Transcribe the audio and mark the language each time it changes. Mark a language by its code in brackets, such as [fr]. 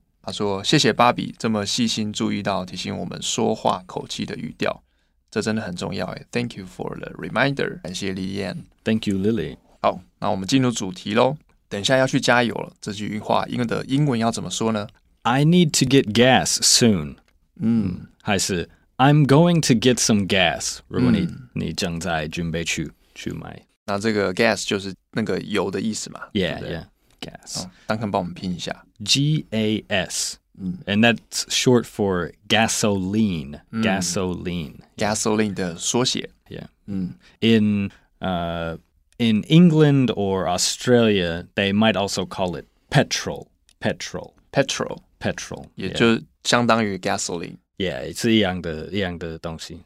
[zh] 他说：“谢谢芭比这么细心注意到提醒我们说话口气的语调，这真的很重要。 [en] Thank you for the reminder， 感谢 Lilian。 Thank you, Lily。 [zh] 好，那我们进入主题喽。等一下要去加油了，这句话英文要怎么说呢 [en] ？I need to get gas soon。还是 I'm going to get some gas。 [zh] 如果你正在准备去买那这个 gas 就是那个油的意思嘛。 [en] Yeah, [zh] 对不对 [en] yeah, gas. [zh] 丹肯帮我们拼一下。 [en] G-A-S. And that's short for gasoline, gasoline. [zh] Gasoline 的缩写。 [en] Yeah. In England or Australia, they might also call it petrol. Petrol. Petrol. Petrol. [zh] 也就相当于 gasoline. Yeah, 是一样的东西。